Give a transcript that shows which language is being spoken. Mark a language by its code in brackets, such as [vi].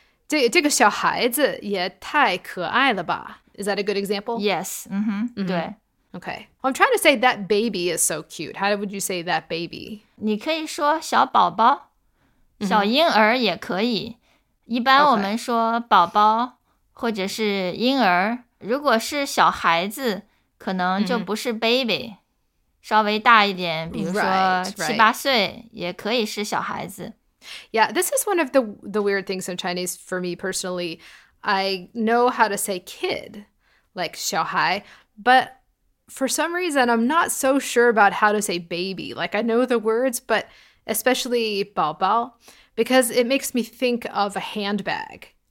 [zh] 这个小孩子也太可爱了吧。 [en] Is that a good example? Yes. Mm-hmm. 对。 Okay. Well, I'm trying to say that baby is so cute. How would you say that baby? [zh] 你可以说小宝宝，小婴儿也可以。一般我们说宝宝或者是婴儿，如果是小孩子，可能就不是 baby。稍微大一点，比如说七八岁，也可以是小孩子。 [en] Yeah, this is one of the weird things in Chinese for me personally. I know how to say kid, like 小孩, but for some reason, I'm not so sure about how to say baby. Like, I know the words, but especially 宝宝, because it makes me think of a handbag.